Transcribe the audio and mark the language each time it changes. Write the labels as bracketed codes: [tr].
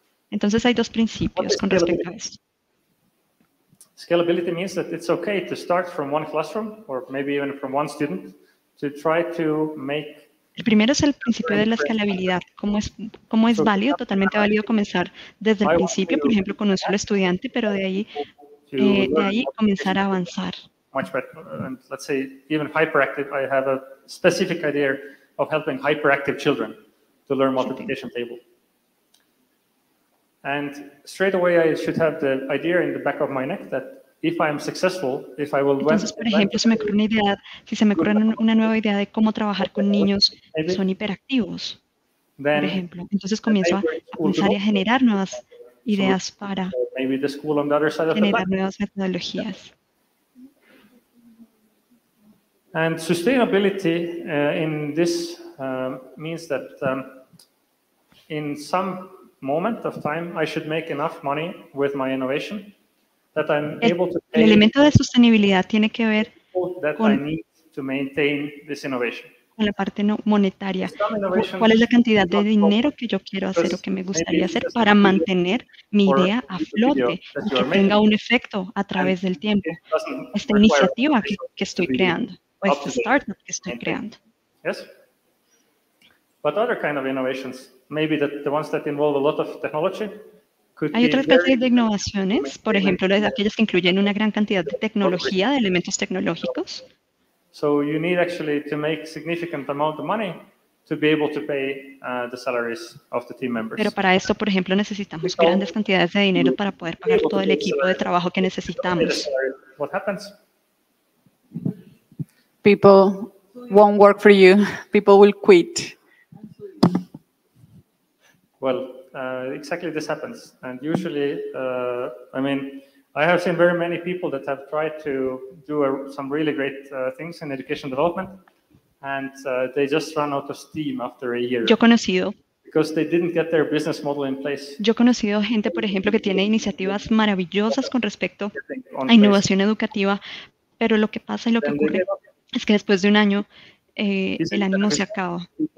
[es] Entonces hay dos principios con respecto a esto. [en] Scalability means that it's okay to start from one classroom or maybe even from one student to try to make. [es] El primero es el principio de la escalabilidad. ¿Cómo es válido, totalmente válido comenzar desde el principio, por ejemplo, con un solo estudiante, pero de ahí comenzar a avanzar. [en] Much better. And let's say even hyperactive, I have a specific idea of helping hyperactive children to learn multiplication table. And straight away, I should have the idea in the back of my neck that if I am successful, if I will. [es] Entonces, por ejemplo, se me ocurre una idea, si se me ocurre una nueva idea de cómo trabajar con niños que son hiperactivos, por ejemplo. Entonces comienzo a pensar y a generar nuevas ideas para generar nuevas metodologías. [en] And sustainability in this means that in some moment of time, I should make enough money with my innovation that I'm able to. [es] El elemento de sostenibilidad tiene que ver con. [en] I need to maintain this innovation. [es] Con la parte no monetaria. ¿Cuál es la cantidad de dinero que yo quiero hacer o que me gustaría hacer para mantener mi idea a flote y que tenga un efecto a través del tiempo? Esta iniciativa que estoy creando o este startup que estoy creando. [en] Yes. But other kind of innovations. Maybe that the ones that involve a lot of technology could. [es] Hay otras clases de innovaciones, por ejemplo, las aquellas que incluyen una gran cantidad de tecnología, de elementos tecnológicos. [en] So you need actually to make significant amount of money to be able to pay the salaries of the team members. [es] Pero para esto, por ejemplo, necesitamos grandes cantidades de dinero para poder pagar todo el equipo de trabajo que necesitamos. [en] What happens? People won't work for you. People will quit. Well, exactly this happens. And usually, I mean, I have seen very many people that have tried to do some really great things in education development, and they just run out of steam after a year. [es] Yo conocido [en] because they didn't get their business model in place. [es] Yo he conocido gente, por ejemplo, que tiene iniciativas maravillosas con respecto a innovación educativa, pero lo que pasa y lo que ocurre es que después de un año el ánimo se acaba.